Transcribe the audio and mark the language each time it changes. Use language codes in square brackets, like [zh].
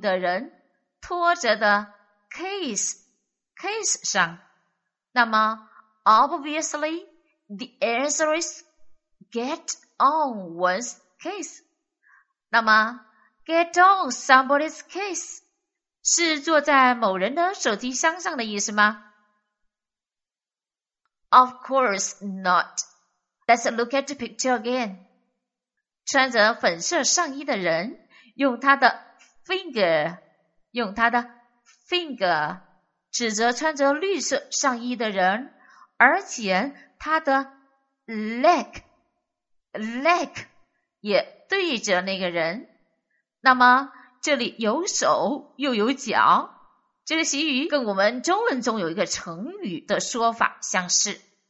[zh] 的人拖着的 case 上，那么 [en] obviously the answer is get on one's case。 [zh] 那么 [en] get on somebody's case [zh] 是坐在某人的手提箱上的意思吗 [en] ？Of course not. Let's look at the picture again. [zh] 穿着粉色上衣的人用他的finger 指着穿着绿色上衣的人而且他的 leg 也对着那个人那么这里有手又有脚这个习语跟我们中文中有一个成语的说法相似